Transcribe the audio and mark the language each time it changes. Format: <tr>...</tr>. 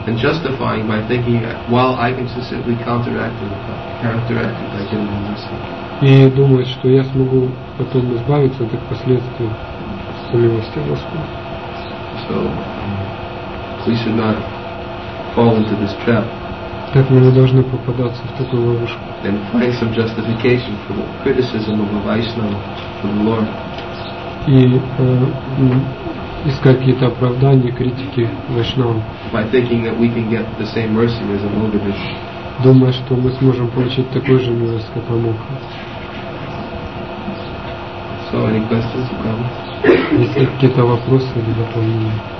<en>And justifying by thinking, well, I can succinctly counteract it by giving mercy.</en> <ru>И думает, что я смогу потом избавиться от этих последствий по милости Господа.</ru> <en>So. We should not fall into this trap.</en> <ru>Так мы не должны попадаться в такую ловушку.</ru> <en>And find some justification for the criticism of a Vaishnava for the Lord.</en> <ru>И искать какие-то оправдания, критики Вайшнава.</ru> <en>By thinking that we can get the same mercy as a Mogadish.</en> <ru>Думая, что мы сможем получить такую же милость, как Амуха.</ru> <en>So, any questions or comments?</en> <ru>Есть ли какие-то вопросы или дополнения?</ru>